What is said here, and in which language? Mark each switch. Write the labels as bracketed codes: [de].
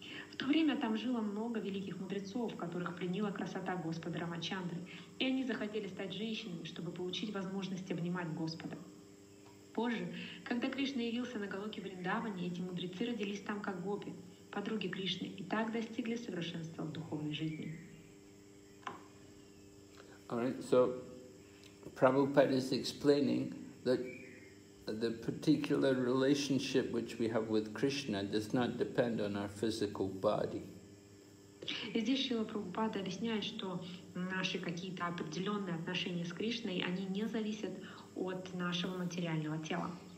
[ru] В то время там жило много великих мудрецов, которых пленила красота господа Рамачандры, и они захотели стать женщинами, чтобы получить возможность обнимать господа. Позже, когда Кришна явился на Галоке Вриндаване, эти мудрецы родились там как гопи, подруги Кришны, и так достигли совершенства в духовной жизни. [en] Alright, so Prabhupada is explaining that the particular relationship which we have with Krishna does not depend on our physical body. [ru] И здесь Шрила Прабхупада объясняет, что наши какие-то определенные отношения с Кришной, они не зависят от нашего материального тела.